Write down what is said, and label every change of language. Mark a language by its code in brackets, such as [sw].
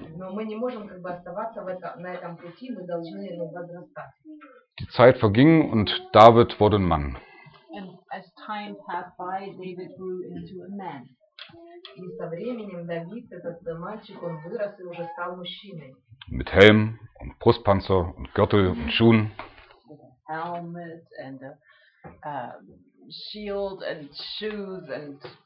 [ru] Но мы не можем как бы оставаться в этом, на этом пути, мы должны возрастать. [de] Die Zeit verging und David wurde ein Mann. [en] And as time passed by, David grew into a man. [ru] И со временем Давид, этот мальчик, он вырос и уже стал мужчиной. [de] Mit Helm und Brustpanzer und Gürtel und Schuhen. [en] With a helmet and a shield and shoes and